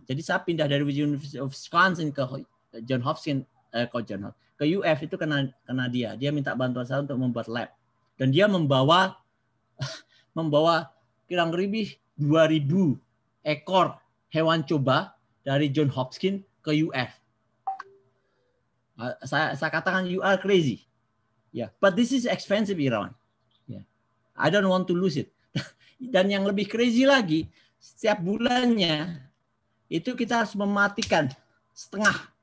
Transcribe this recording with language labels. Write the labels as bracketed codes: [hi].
[id] Jadi saya pindah dari University of Wisconsin ke John Hopkins ke UF itu karena dia. Dia minta bantuan saya untuk membuat lab. Dan dia membawa kurang lebih 2000 ekor hewan coba dari John Hopkins ke UF. Saya katakan [en] you are crazy, yeah. But this is expensive, Irawan. Yeah. I don't want to lose it. [id] Dan yang lebih crazy lagi, setiap bulannya itu kita harus mematikan setengah.